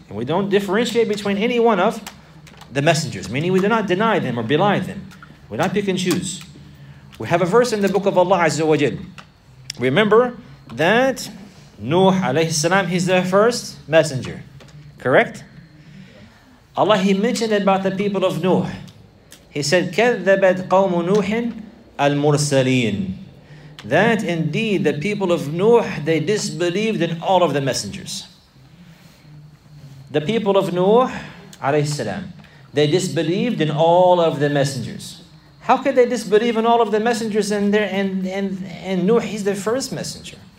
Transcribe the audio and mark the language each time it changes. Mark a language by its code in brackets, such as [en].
[en] And we don't differentiate between any one of the messengers, meaning we do not deny them or belie them. We do not pick and choose. We have a verse in the book of Allah Azza wa Jal. Remember that Nuh alayhi salam, he's the first messenger. Correct? Allah, he mentioned about the people of Nuh. He said, [ar] كَذَّبَتْ قَوْمُ نُوحٍ الْمُرْسَلِينَ. [en] That indeed the people of Nuh, they disbelieved in all of the messengers. The people of Nuh, alayhi salam, they disbelieved in all of the messengers. How could they disbelieve in all of the messengers and Nuh, he's the first messenger?